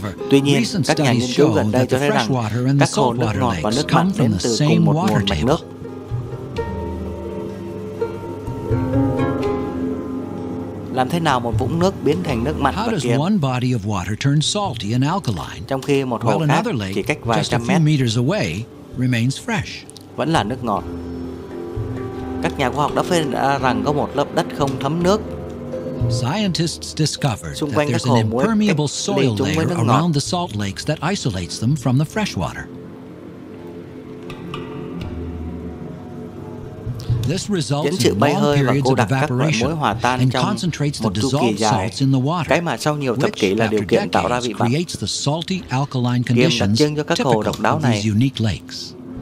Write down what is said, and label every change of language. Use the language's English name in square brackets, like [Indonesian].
[Vietnamese] Tuy nhiên, các nhà nghiên cứu gần đây cho thấy rằng các hồ nước ngọt và nước mặn đến từ cùng một nguồn mạch nước. Làm thế nào một vũng nước biến thành nước mặn và kiềm? [English] One body of water turn salty and alkaline. [Vietnamese] Trong khi một hồ khác chỉ cách vài trăm mét [English] away remains fresh. [Vietnamese] Vẫn là nước ngọt. Các nhà khoa học đã phát hiện ra rằng có một lớp đất không thấm nước. [English] Scientists discovered that there's an impermeable soil layer around the salt lakes that isolates them from the freshwater. This results in long periods of evaporation and concentrates the dissolved salts in the water, which, after decades, creates the salty alkaline conditions typical of these unique lakes.